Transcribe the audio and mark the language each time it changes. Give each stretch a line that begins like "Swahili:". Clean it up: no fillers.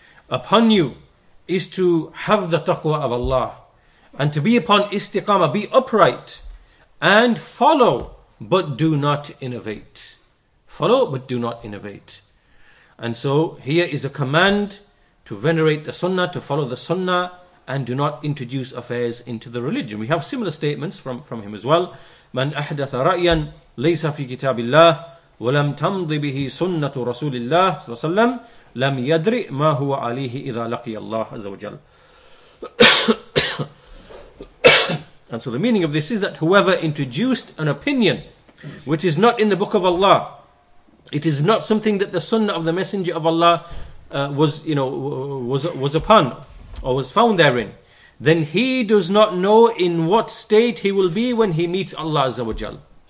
English: Upon you is to have the taqwa of Allah, and to be upon istiqama, be upright, and follow but do not innovate. Follow but do not innovate. And so here is a command to venerate the sunnah, to follow the sunnah, and do not introduce affairs into the religion. We have similar statements from him as well.
Arabic: من أحدث رأيا ليس في كتاب الله ولم تمض به سنة رسول الله صلى الله عليه وسلم لم يدري ما هو عليه إذا لقي الله عز وجل.
English: And so the meaning of this is that whoever introduced an opinion which is not in the book of Allah, it is not something that the sunnah of the Messenger of Allah was upon or was found therein, then he does not know in what state he will be when he meets Allah Azza wa Jal.